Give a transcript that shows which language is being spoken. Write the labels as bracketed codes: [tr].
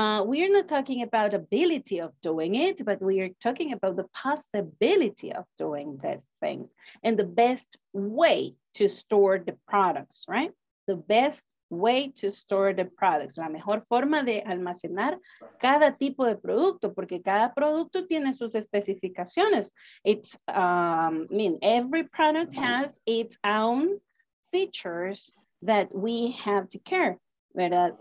[en] We are not talking about ability of doing it, but we are talking about the possibility of doing these things and the best way to store the products, right? The best way to store the products. [es] La mejor forma de almacenar cada tipo de producto, porque cada producto tiene sus especificaciones. [en] It's, I mean, every product has its own features that we have to care, [es] ¿verdad?